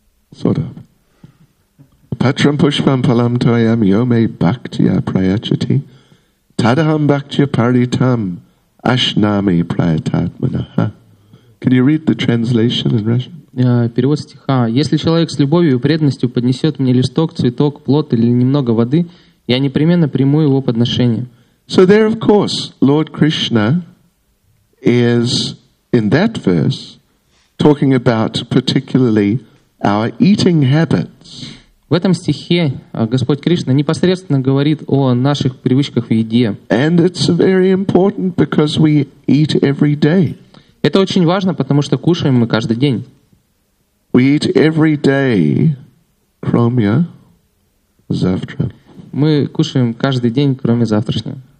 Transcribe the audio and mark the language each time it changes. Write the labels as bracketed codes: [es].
[en] Sort of. [sa] Patram pushpam palam toyam yome bhaktya prayachati tadaham bhaktya paritam ashnami prayatatmanaha. [en] Can you read the translation in Russian? [ru] Перевод стиха. Если человек с любовью и преданностью поднесет мне листок, цветок, плод или немного воды, я непременно приму его подношение. [en] So there, of course, Lord Krishna is, in that verse, talking about particularly our eating habits. [ru] В этом стихе Господь Кришна непосредственно говорит о наших привычках в еде. [en] And it's very important because we eat every day. [ru] Это очень важно, потому что кушаем мы каждый день. [en] We eat every day, [ru] кроме завтра. Мы кушаем каждый день, кроме завтрашнего.